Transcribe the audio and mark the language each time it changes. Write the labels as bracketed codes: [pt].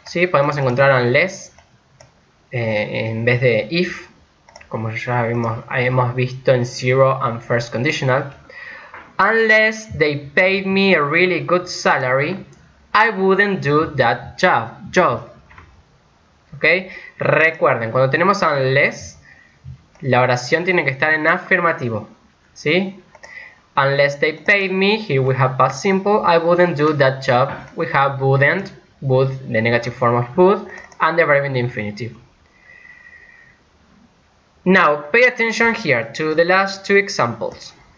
[es] Sí, podemos encontrar unless en vez de if, como ya hemos visto en [en] zero and first conditional. Unless they paid me a really good salary, I wouldn't do that job. Okay? [es] Recuerden, cuando tenemos unless, la oración tiene que estar en afirmativo. ¿Sí? [en] Unless they paid me, here we have past simple, I wouldn't do that job. We have wouldn't. Would, the negative form of would, and the verb in the infinitive. Now, pay attention here to the last two examples.